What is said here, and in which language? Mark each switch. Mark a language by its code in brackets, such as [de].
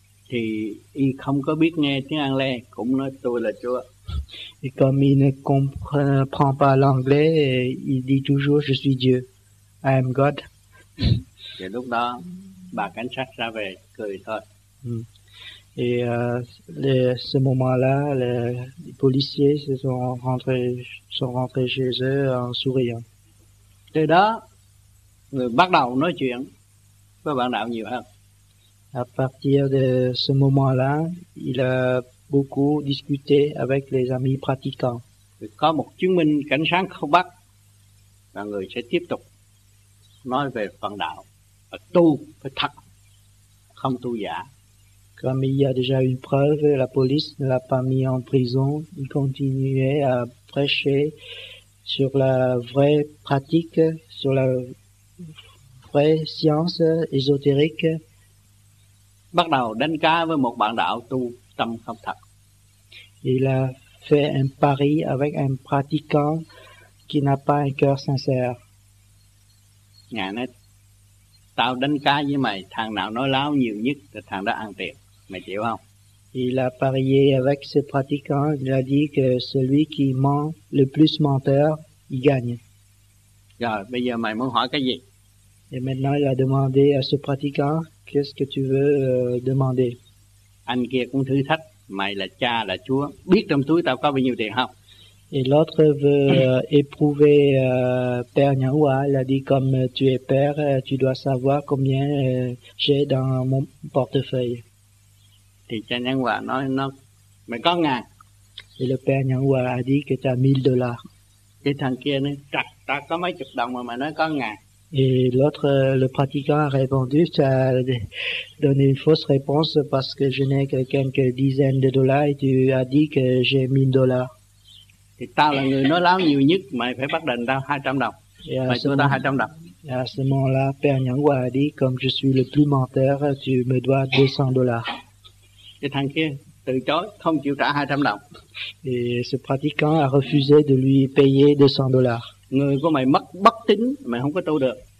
[vi] Thì il không có biết nghe tiếng anglais, cũng nói tôi là Chúa. [fr] Et comme il ne comprend pas l'anglais, il dit toujours je suis Dieu. [en] I am God. [vi] Et lúc đó, bà cảnh sát ra về cười thôi. [fr] Et à ce moment-là, les policiers sont rentrés chez eux en souriant. [vi] Từ đó, bắt đầu nói chuyện với bạn đạo nhiều hơn. [fr] À partir de ce moment-là, il a beaucoup discuté avec les amis pratiquants. [vi] Có một chứng minh cảnh sát không bắt, và người sẽ tiếp tục nói về phần đạo, và tu phải thật, không tu giả. [fr] Comme il y a déjà une preuve, la police ne l'a pas mis en prison, il continuait à prêcher sur la vraie pratique, sur la vraie science ésotérique. [vi] Bắt đầu đánh cá với một bạn đạo tu tâm không thật. [fr] Il a fait un pari avec un pratiquant qui n'a pas un cœur sincère. [vi] Ngài nói, tao đánh cá với mày, thằng nào nói láo nhiều nhất là thằng đó ăn tiền. Mày chịu không? [fr] Il a parié avec ce pratiquant, il a dit que celui qui ment le plus menteur, il gagne. [vi] Rồi, bây giờ mày muốn hỏi cái gì? [fr] Et maintenant, il a demandé à ce pratiquant, qu'est-ce que tu veux demander? [vi] Anh kia cũng thử thách, mày là cha, là chúa, biết trong túi tao có bao nhiêu tiền không? [fr] Et l'autre veut éprouver Père Nyahua, il a dit, comme tu es père, tu dois savoir combien j'ai dans mon portefeuille. [vi] Thì cha Nhân Hòa nói nó mày có ngàn. [fr] Thì le père Nhân Hòa a dit que t'as 1000 dollars. [vi] Thì thằng kia nói trật, ta có mấy chục đồng mà mày nói có ngàn. [fr] Et l'autre, le pratiquant a répondu, tu as donné une fausse réponse parce que je n'ai que quelques dizaines de dollars et tu as dit que j'ai 1000 dollars. [vi] Thì tao là người nói láo nhiều nhất, mày phải bắt đền tao 200 đồng. Mày cho tao 200 đồng. [fr] Et à ce moment-là, père Nhân Hòa a dit, comme je suis le plus menteur, tu me dois 200 dollars. [vi] Cái thằng kia từ chối, không chịu trả 200 đồng. [fr] Et ce pratiquant a refusé de lui payer 200 dollars. [vi] Người của mày mất bất tín, mày không có tu được.